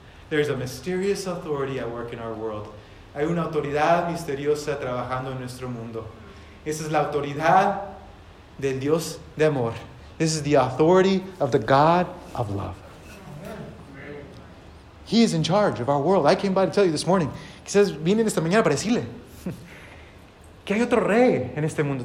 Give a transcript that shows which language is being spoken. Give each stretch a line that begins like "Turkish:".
English: There's a mysterious authority at work in our world.
Spanish: Hay una autoridad misteriosa trabajando en nuestro mundo. Esa es la autoridad del Dios de amor.
English: This is the authority of the God of love. He is in charge of our world. I came by to tell you this morning.
Spanish: Quizás vine esta mañana para decirle que hay otro rey en este mundo.